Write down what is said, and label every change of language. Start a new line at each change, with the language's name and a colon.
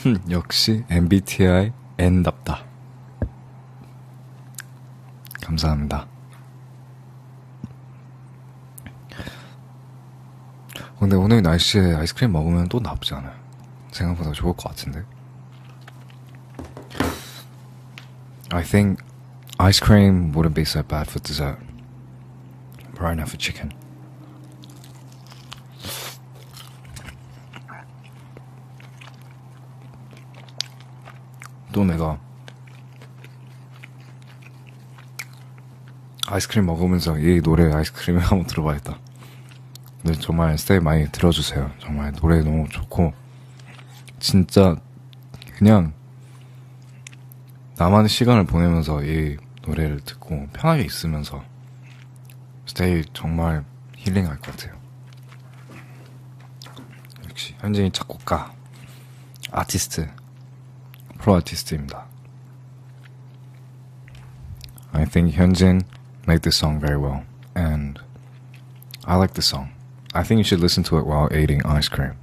Korean: 역시 MBTI N답다. 감사합니다. 근데 오늘 날씨에 아이스크림 먹으면 또 나쁘지 않아요. 생각보다 좋을 것 같은데.
English: I think ice cream wouldn't be so bad for dessert. Right now for chicken.
Korean: 또 내가 아이스크림 먹으면서 이 노래 아이스크림을 한번 들어봐야겠다. 근데 정말 스테이 많이 들어주세요. 정말 노래 너무 좋고 진짜 그냥 나만의 시간을 보내면서 이 노래를 듣고 편하게 있으면서 스테이 정말 힐링할 것 같아요. 역시 현진이 작곡가 아티스트 프로 아티스트입니다.
English: I think Hyunjin made this song very well. And I like the song. I think you should listen to it while eating ice cream.